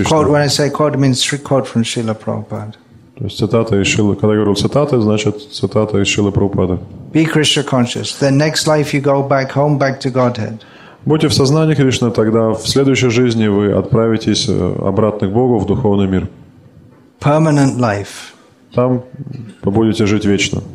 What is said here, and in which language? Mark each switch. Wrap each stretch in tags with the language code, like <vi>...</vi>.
<en>This is quote. When I say quote, it means quote from Srila Prabhupada.</en> <ru>То есть цитата из Шрилы. Когда я говорю цитаты, значит цитата из Шрилы Прабхупады.</ru> <en>Be Krishna conscious. Then next life you go back home, back to Godhead.</en> <ru>Будьте в сознании Кришны, тогда в следующей жизни вы отправитесь обратно к Богу в духовный мир.</ru> <en>Permanent life.</en> <ru>Там вы будете жить вечно.</ru>